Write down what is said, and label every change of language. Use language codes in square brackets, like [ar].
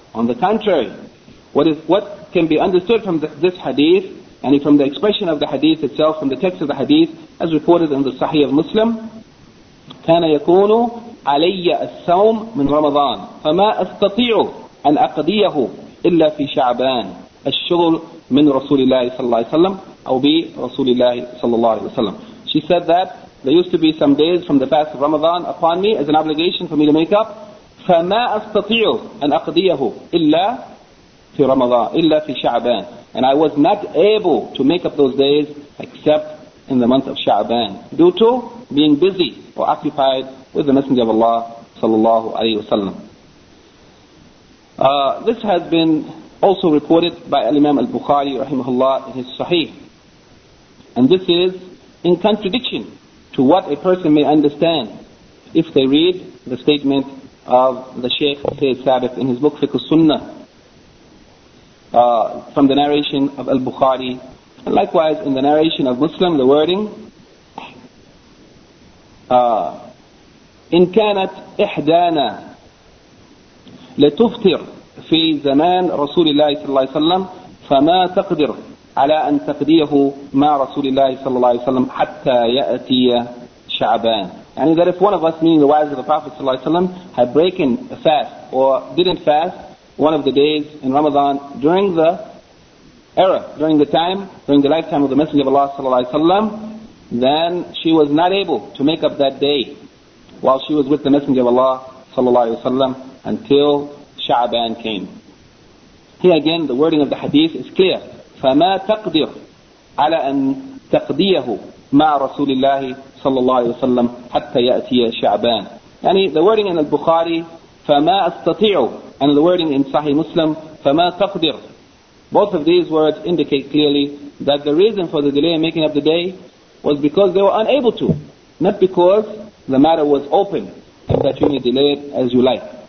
[en] On the contrary, what can be understood from this hadith and from the expression of the hadith itself, from the text of the hadith as reported in the Sahih of Muslim, [ar] كان يكون علي الصوم من رمضان فما أستطيع أن أقضيه إلا في شعبان الشغل من رسول الله صلى الله عليه وسلم أو برسول الله صلى الله عليه وسلم. [en] She said that there used to be some days from the fast of Ramadan upon me as an obligation for me to make up. [ar] فما أستطيع أن أقضيه إلا في رمضان إلا في شعبان. [en] And I was not able to make up those days except in the month of Sha'ban due to being busy or occupied with the Messenger of Allah sallallahu alayhi wa sallam. This has been also reported by Imam al-Bukhari rahimahullah in his Sahih. And this is in contradiction to what a person may understand if they read the statement of the Shaykh Sayyid Sabiq in his book Fiqh al-Sunnah from the narration of al-Bukhari. And likewise in the narration of Muslim, the wording [ar] إن كانت إحدانا لتفطر في زمان رسول الله صلى الله عليه وسلم فما تقدر على أن تقضيه مع رسول الله صلى الله عليه وسلم حتى يأتي شعبان. [en] يعني that if one of us, meaning the wives of the Prophet صلى الله عليه وسلم, had broken a fast or didn't fast one of the days in Ramadan during the era, during the lifetime of the Messenger of Allah صلى الله عليه وسلم, then she was not able to make up that day while she was with the Messenger of Allah sallallahu alayhi wa sallam until Sha'ban came. Here again, the wording of the hadith is clear. [ar] فَمَا تَقْدِرْ عَلَىٰ أَن تَقْدِيَهُ مَعَ رَسُولِ اللَّهِ sallallahu alayhi wa sallam حَتَّى يَأْتِيَ شَعْبَانِ. [en] Yani the wording in al-Bukhari, [ar] فَمَا أَسْتَطِيعُ, [en] and the wording in Sahih Muslim, [ar] فَمَا تَقْدِرْ. [en] Both of these words indicate clearly that the reason for the delay in making up the day was because they were unable to, not because the matter was open, that you may delay it as you like.